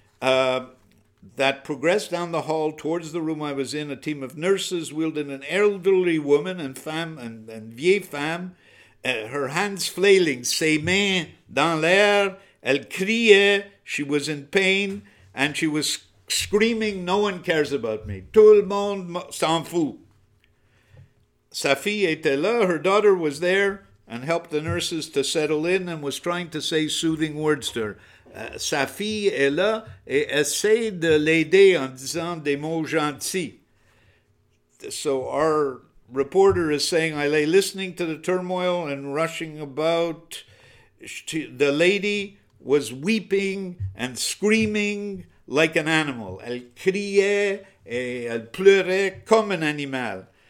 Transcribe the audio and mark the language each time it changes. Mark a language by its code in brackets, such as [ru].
[en] That progressed down the hall towards the room I was in. A team of nurses wielding an elderly woman and femme and vieille femme, her hands flailing, ses mains dans l'air, elle criait, she was in pain, and she was screaming, no one cares about me, tout le monde s'en fout. Sa fille était là, her daughter was there, and helped the nurses to settle in and was trying to say soothing words to her. [fr] Sa fille est là et essaie de l'aider en disant des mots gentils. [en] So our reporter is saying, I lay listening to the turmoil and rushing about. The lady was weeping and screaming like an animal. [fr] Elle criait et elle pleurait comme un animal.